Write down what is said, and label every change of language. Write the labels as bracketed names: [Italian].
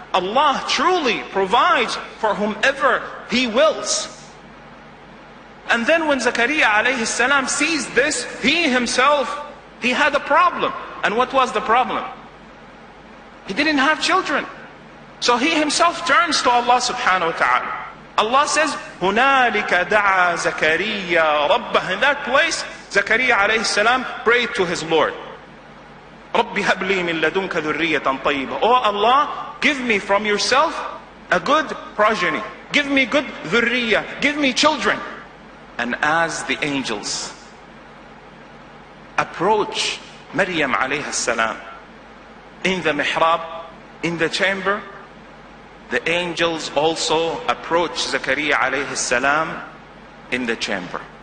[English] Allah truly provides for whomever He wills. And then when Zakariya alayhi salam sees this, he himself He had a problem. And what was the problem? He didn't have children. So he himself turns to Allah subhanahu wa ta'ala. Allah says, [Arabic] هُنَالِكَ دَعَى زَكَرِيَّا رَبَّهُ. [English] In that place, Zakariya alayhi salam prayed to his Lord. [Arabic] رَبِّ هَبْ لِي مِن لَدُنْكَ ذُرِّيَّةً طَيِّبَةً. [English] Oh Allah, give me from yourself a good progeny. Give me good ذُرِّيَّة. Give me children. And as the angels approach Maryam alayhi salam in the mihrab, in the chamber, the angels also approach Zakariya alayhi salam in the chamber.